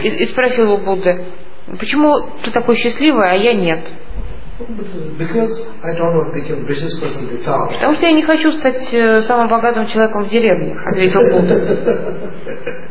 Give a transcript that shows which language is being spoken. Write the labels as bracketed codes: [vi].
[ru] И спросил его Будда, почему ты такой счастливый, а я нет? [en] Because I don't want to become the richest person in the town. [ru] Потому что я не хочу стать самым богатым человеком в деревне, ответил Будда.